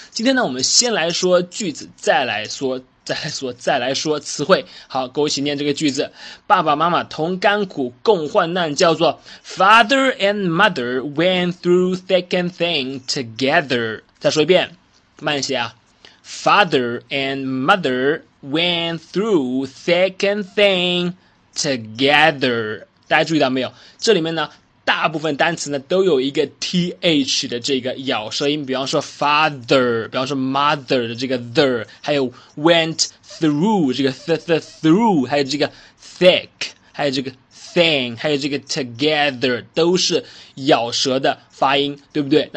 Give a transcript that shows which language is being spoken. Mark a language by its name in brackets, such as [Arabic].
[Chinese] 今天呢，我们先来说句子，再来说词汇。好，跟我一起念这个句子：爸爸妈妈同甘苦，共患难，叫做 [English] father and mother went through thick and thin together。 [Chinese] 再说一遍，慢一些啊。 [English] Father and mother went through thick and thin together。 [Chinese] 大家注意到没有？这里面呢，大部分单词呢都有一个 th 的这个咬舌音。比方说 father，比方说 mother 的这个 the，还有 went through 这个 through，还有这个 thick，还有这个 thin，还有这个 together，都是咬舌的发音，对不对？